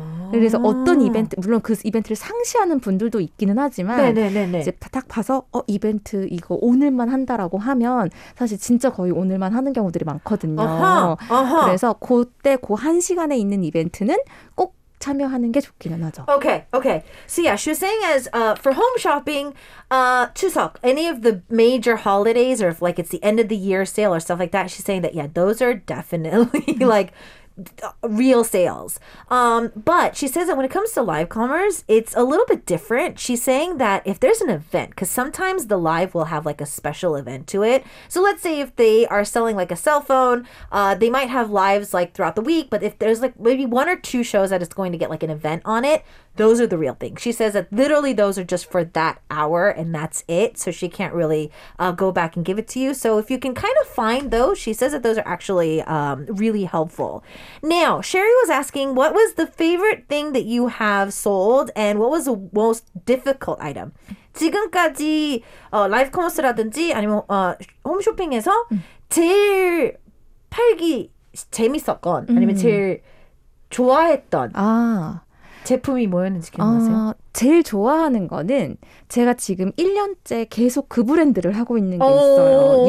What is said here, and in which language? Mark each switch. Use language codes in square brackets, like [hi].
[ko] 그래서 어떤 이벤트 물론 그 이벤트를 상시하는 분들도 있기는 하지만 네네네네. 이제 딱 봐서 이벤트 이거 오늘만 한다라고 하면 사실 진짜 거의 오늘만 하는 경우들이 많거든요. 어허, 어허. 그래서 그때 그 한 시간에 있는 이벤트는 꼭 참여하는 게 좋기는 하죠. [en] Okay, okay. So yeah, she was saying as for home shopping, 추석, any of the major holidays or if like it's the end of the year sale or stuff like that, she's saying that yeah, those are definitely like real sales. But she says that when it comes to live commerce, it's a little bit different. She's saying that if there's an event, because sometimes the live will have like a special event to it. So let's say if they are selling like a cell phone, they might have lives like throughout the week. But if there's like maybe one or two shows that it's going to get like an event on it, those are the real things. She says that literally those are just for that hour and that's it. So she can't really go back and give it to you. So if you can kind of find those, she says that those are actually really helpful. Now, Sherry was asking, what was the favorite thing that you have sold and what was the most difficult item? [ko] 지금까지 라이브 커머스라든지 아니면 홈쇼핑에서 제일 팔기 재밌었건 아니면 제일 좋아했던 아. 제품이 뭐였는지 기억나세요? 제일 좋아하는 거는 제가 지금 1년째 계속 그 브랜드를 하고 있는 게 있어요.